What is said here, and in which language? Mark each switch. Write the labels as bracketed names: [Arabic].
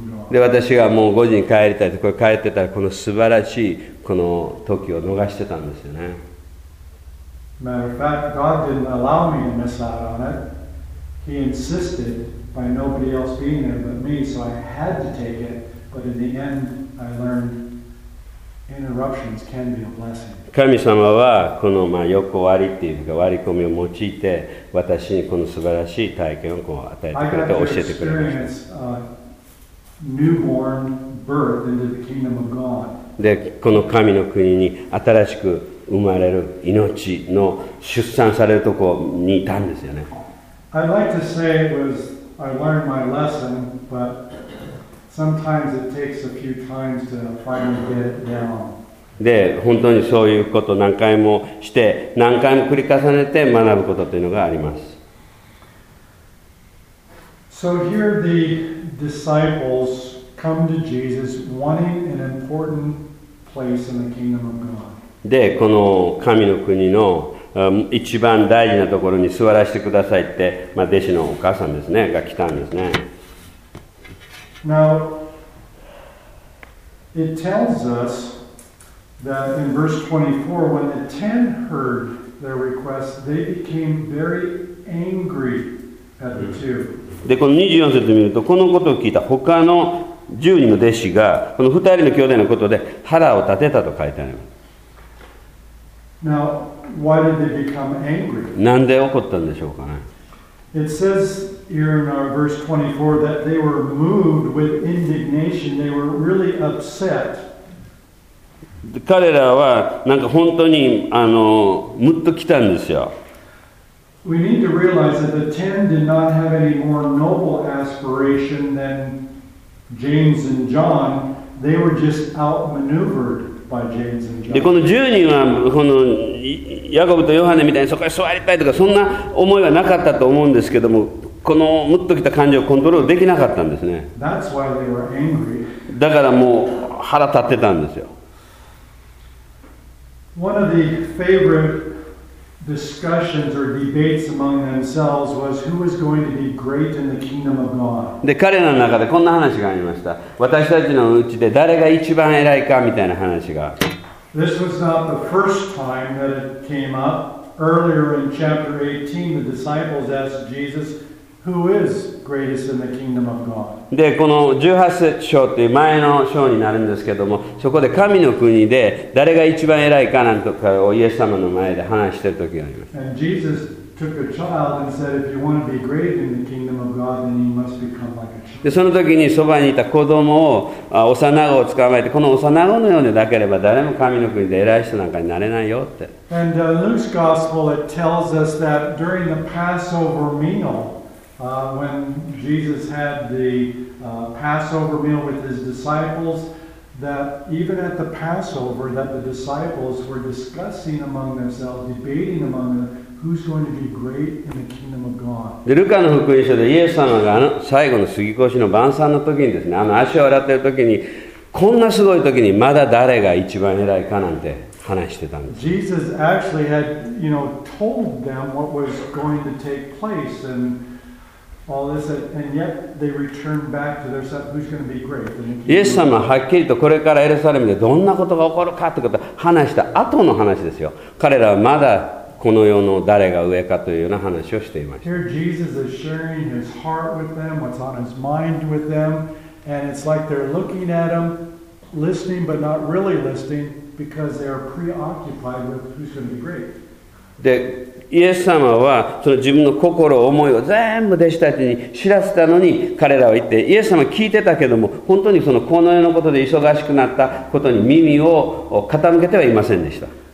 [Japanese] で、私がもう5時に帰りたいと、これ帰ってたら、この素晴らしいこの時を逃してたんですよね。 [English] Matter of fact, God didn't allow me to miss out on it. He insisted by nobody else being there but me, so I had to take it. But in the end, I learned interruptions can be a blessing. [Japanese] 神様はこのまあ横割りっていうか割り込みを用いて私にこの素晴らしい体験をこう与えてくれて教えてくれました。 [English] Newborn birth into the kingdom of God. [Japanese] で、この神の国に新しく生まれる命の出産されるところにいたんですよね。 [English] I'd like to say it was I learned my lesson, but sometimes it takes a few times to finally get it down. [Japanese] で、本当にそういうことを何回もして、何回も繰り重ねて学ぶことというのがあります。 [English] So here the disciples come to Jesus wanting an important place in the kingdom of God. [Japanese] で、この神の国の一番大事なところに座らせてくださいって、まあ、弟子のお母さんですね、が来たんですね。 [English] Now, it tells us that in verse 24, when the ten heard their request, they became very angry at the two. [Japanese] で、この24節を見ると、このことを聞いた他の10人の弟子が、この2人の兄弟のことで腹を立てたと書いてあります。 [English] Now, why did they become angry? [Japanese] なんで怒ったんでしょうかね。 [English] It says here in our verse 24 that they were moved with indignation. They were really upset. [Japanese] 彼らはなんか本当にムッときたんですよ。 [English] We need to realize that the ten did not have any more noble aspiration than James and John. They were just outmaneuvered. [Japanese] でこの10人はこのヤコブとヨハネみたいにそこに座りたいとかそんな思いはなかったと思うんですけども、このムッときた感情をコントロールできなかったんですね。 [English] That's why they were angry. [Japanese] だからもう腹立ってたんですよ。 [English] One of the favorite discussions or debates among themselves was who was going to be great in the kingdom of God. [Japanese] で、彼らの中でこんな話がありました。私たちのうちで誰が一番偉いかみたいな話が。 [English] This was not the first time that it came up. Earlier in chapter 18, the disciples asked Jesus, who is greatest in the kingdom of God? [Japanese] で、この18節章っていう前の章になるんですけども、そこで神の国で誰が一番偉いかなんとかをイエス様の前で話してる時があります。 [English] And Jesus took a child and said, if you want to be great in the kingdom of God, then you must become like a child. [Japanese] で、その時にそばにいた子供を、幼子を捕まえて、この幼子のようでなければ誰も神の国で偉い人なんかになれないよって。 [English] And Luke's gospel, it tells us that during the Passover meal,when Jesus had the Passover meal with his disciples, that even at the Passover, that the disciples were discussing among themselves, debating among them, who's going to be great in the kingdom of God. [Japanese] で、ルカの福音書でイエス様が最後の杉越の晩餐の時にですね、足を洗っている時に、こんなすごい時にまだ誰が一番偉いかなんて話してたんです。 [English] Jesus actually had, you know, told them what was going to take place andAll this, and yet they return back to their self. Who's going to be great? [Japanese] イエス様ははっきりとこれからエルサレムでどんなことが起こるかということを話した後の話ですよ。彼らはまだこの世の誰が上かというような話をしていました。 [English] Here Jesus is sharing his heart with them, what's on his mind with them, and it's like they're looking at him, listening but not really listening because they are preoccupied with who's going to be great. [Japanese] で、イエス様はその自分の心思いを全部弟子たちに知らせたのに、彼らは言ってイエス様聞いてたけども、本当にそのこの世のことで忙しくなったことに耳を傾けてはいませんでした。